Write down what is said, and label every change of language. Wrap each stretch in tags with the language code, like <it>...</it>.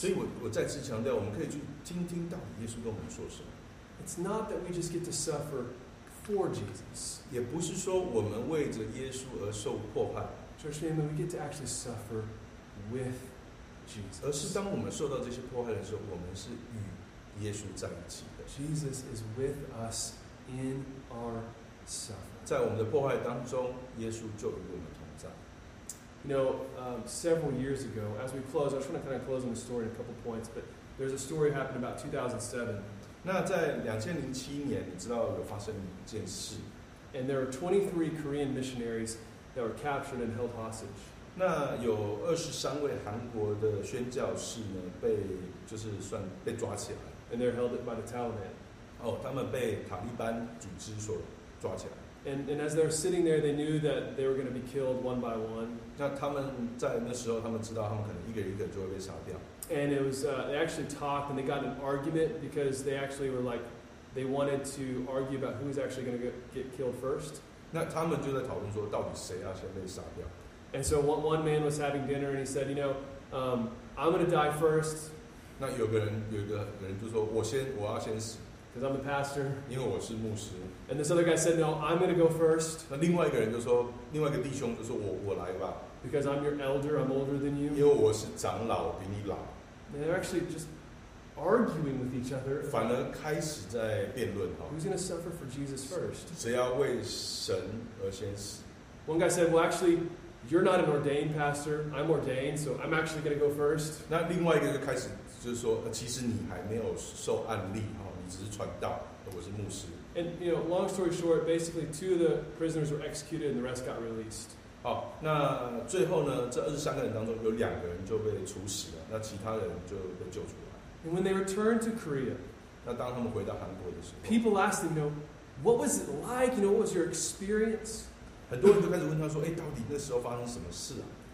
<zh>所以我再次强调，我们可以去听听到底耶稣跟我们说什么。</zh> <en>It's not that we just get to suffer. For Jesus.</en> <zh>也不是说我们为着耶稣而受迫害。</zh> <en>Church family, we get to actually suffer with Jesus.</en> <zh>而是当我们受到这些迫害的时候，我们是与耶稣在一起的。</zh> <en>Jesus is with us in our suffering.</en> <zh>在我们的迫害当中，耶稣就与我们同在。</zh> <en>You know, several years ago, as we close, I just want to kind of close on the story in a couple points, but there's a story happened about 2007.</en> <zh>那在2007年，你知道有发生一件事。</zh> <en>And there were 23 Korean missionaries that were captured and held hostage.</en> <zh>那有23位韩国的宣教士呢，被抓起来。</zh> <en>And they're held by the Taliban.</en> <zh>哦，他们被塔利班组织所抓起来。</zh> <en>And as they were sitting there, they knew that they were going to be killed one by one.</en> <zh>那他们在那时候，他们知道他们可能一个一个就会被杀掉。</zh> <en>And it was, they actually talked and they got in an argument because they actually were like, they wanted to argue about who's actually going to get killed first.</en> <zh>那他们就在讨论说，到底谁要先被杀掉。</zh> <en>And so one man was having dinner and he said, you know, I'm going to die first.</en> <zh>那有个人就说，我要先死。</zh> <en>Because I'm the pastor.</en> <zh>因为我是牧师。</zh> <en>And this other guy said, no, I'm going to go first.</en> <zh>那另外一个人就说，另外一个弟兄就说，我来吧。</zh> <en>Because I'm your elder, I'm older than you.</en> <zh>因为我是长老，比你老。</zh> <en>They're actually just arguing with each other.</en> <zh>反而开始在辩论。</zh> <en>Who's going to suffer for Jesus first?</en> <zh>谁要为神而先死。</zh> <en>One guy said, well, actually, you're not an ordained pastor. I'm ordained, so I'm actually going to go first.</en> <zh>那另外一个就开始就是说，其实你还没有受案例，你只是传道，我是牧师。</zh> <en>And, you know, long story short, basically two of the prisoners were executed and the rest got released.</en> <zh>好，那最后呢，这23个人当中有两个人就被处死了，那其他人就被救出来。</zh> <en>And when they returned to Korea,</en> <zh>那当他们回到韩国的时候，</zh> <en>people asked them, you know, what was it like? You know, what was your experience?</en> <zh>很多人就开始问他说，哎，到底那时候发生什么事啊？</zh>